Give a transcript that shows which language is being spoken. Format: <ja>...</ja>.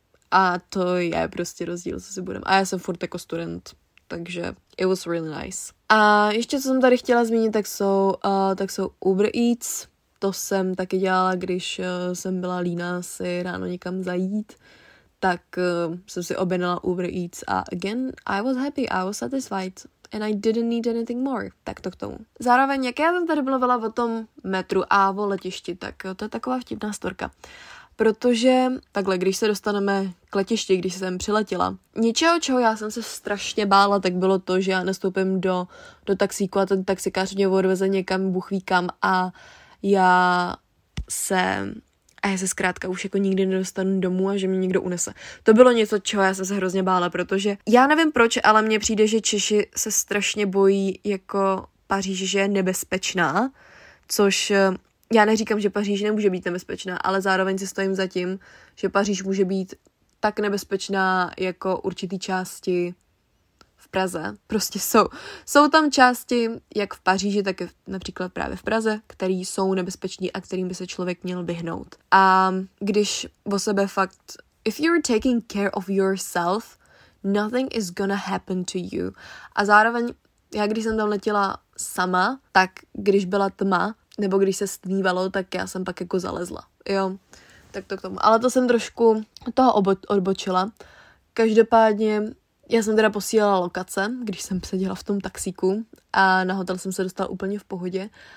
<cs>A to je prostě rozdíl, co si budeme. A já jsem furt jako student, takže</cs> <en>it was really nice.</en> <cs>A ještě, co jsem tady chtěla zmínit, tak jsou Uber Eats. To jsem taky dělala, když jsem byla líná si ráno někam zajít. Tak jsem si objednala Uber Eats a</cs> <en>again, I was happy, I was satisfied. And I didn't need anything more.</en> <cs>Tak to k tomu. Zároveň, jak já jsem tady mluvila o tom metru a o letišti, tak to je taková vtipná storka. Protože takhle, když se dostaneme k letišti, když jsem přiletěla, něčeho, čeho já jsem se strašně bála, tak bylo to, že já nastoupím do taxíku a ten taxikář mě odveze někam, buchví kam a já se zkrátka už jako nikdy nedostanu domů a že mě někdo unese. To bylo něco, čeho já jsem se hrozně bála, protože já nevím proč, ale mně přijde, že Češi se strašně bojí jako Paříž, že je nebezpečná, což já neříkám, že Paříž nemůže být nebezpečná, ale zároveň si stojím za tím, že Paříž může být tak nebezpečná jako určitý části v Praze. Prostě jsou tam části, jak v Paříži, tak například právě v Praze, které jsou nebezpeční a kterým by se člověk měl vyhnout. A když o sebe fakt...</cs> <en>If you're taking care of yourself, nothing is gonna happen to you.</en> <cs>A zároveň, já když jsem tam letěla sama, tak když byla tma, nebo když se stmívalo, tak já jsem pak jako zalezla. Jo, tak to k tomu. Ale to jsem trošku toho odbočila. Každopádně... Já jsem teda posílala lokace, když jsem seděla v tom taxíku a na hotel jsem se dostala úplně v pohodě.</cs>